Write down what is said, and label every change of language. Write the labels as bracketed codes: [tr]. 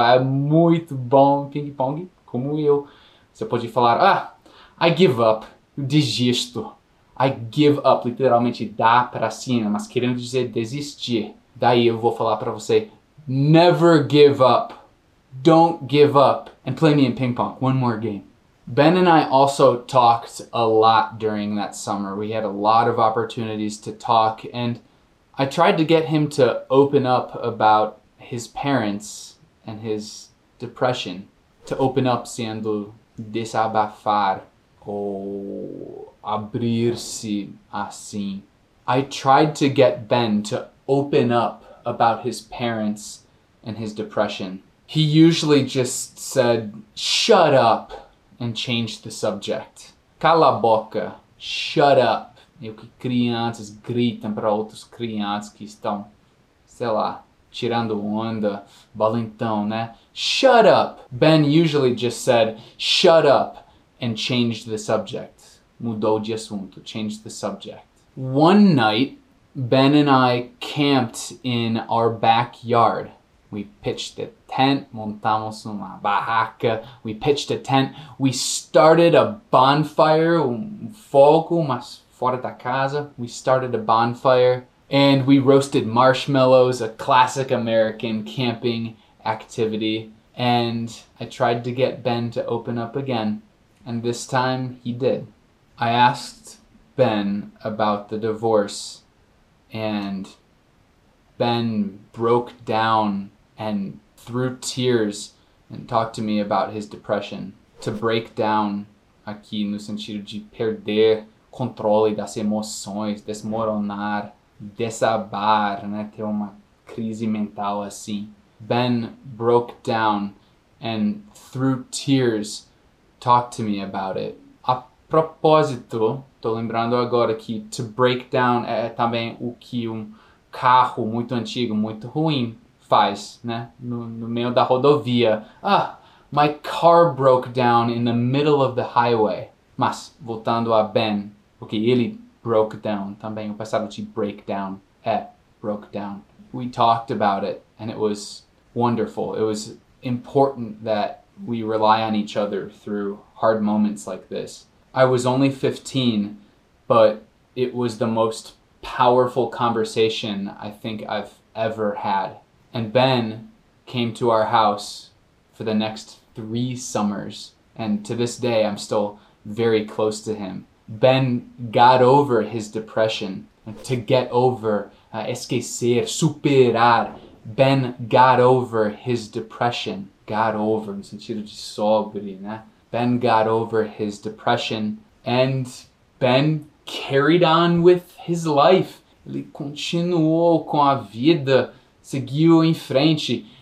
[pt] É muito bom ping pong, como eu. Você pode falar, ah, [en] I give up, [pt] desisto. [en] I give up, [pt] literalmente, dá pra cima, mas querendo dizer desistir. Daí eu vou falar pra você, [en] never give up. Don't give up. And play me in ping pong, one more game. Ben and I also talked a lot during that summer. We had a lot of opportunities to talk, and I tried to get him to open up about his parents and his depression. To open up, [pt] sendo desabafar ou abrir-se assim. [en] I tried to get Ben to open up about his parents and his depression. He usually just said, shut up, and changed the subject. [pt] Cala a boca, [en] shut up. [pt] E o que crianças gritam para outras crianças que estão, sei lá, tirando onda, balentão, né? [en] Shut up! Ben usually just said, shut up, and changed the subject. [pt] Mudou de assunto, [en] changed the subject. One night, Ben and I camped in our backyard. We pitched a tent, [pt] montamos uma barraca, [en] we pitched a tent, we started a bonfire, [pt] fogo, mas fora da casa, [en] we started a bonfire. And we roasted marshmallows, a classic American camping activity. And I tried to get Ben to open up again. And this time, he did. I asked Ben about the divorce. And Ben broke down and through tears and talked to me about his depression. to break down [pt] aqui no sentido de perder controle das emoções, desmoronar, desabar, né? Ter uma crise mental assim. [en] Ben broke down and through tears talked to me about it. [pt] A propósito, tô lembrando agora que [en] to break down [pt] é também o que um carro muito antigo, muito ruim, faz, né? No meio da rodovia. [en] Ah, my car broke down in the middle of the highway. [pt] Mas, voltando a Ben, porque ele [en] broke down [pt] também, o passado de [en] break down [pt] é broke down. [en] We talked about it and it was wonderful. It was important that we rely on each other through hard moments like this. I was only 15, but it was the most powerful conversation I think I've ever had. And Ben came to our house for the next 3 summers, and to this day, I'm still very close to him. Ben got over his depression. To get over, [pt] esquecer, superar. [en] Ben got over his depression. Got over, [pt] no sentido de sobre, né? [en] Ben got over his depression, and Ben carried on with his life. [pt] Ele continuou com a vida, seguiu em frente.